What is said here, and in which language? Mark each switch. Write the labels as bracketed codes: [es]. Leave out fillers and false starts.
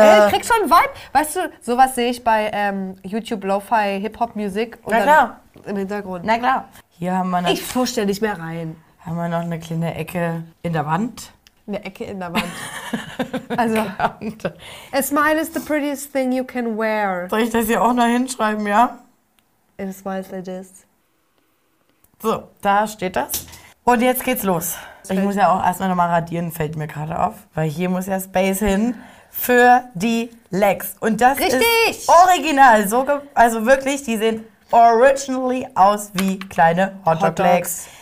[de] Ey, krieg schon einen Vibe. Weißt du, sowas sehe ich bei YouTube Lo-Fi Hip-Hop-Musik. Na klar. Im Hintergrund. Na klar. Hier haben wir noch. Ich fusche da nicht mehr rein. Haben wir noch eine kleine Ecke in der Wand? Eine Ecke in der Wand. Also. [en] A smile is the prettiest thing you can wear. [de] Soll ich das hier auch noch hinschreiben, ja? [en] A smile is the best. [de] So, da steht das. Und jetzt geht's los. Ich muss ja auch erstmal nochmal radieren, fällt mir gerade auf. Weil hier muss ja Space hin für die Legs. Und das richtig. Ist original. So also wirklich, die sehen originally aus wie kleine Hotdog-Legs.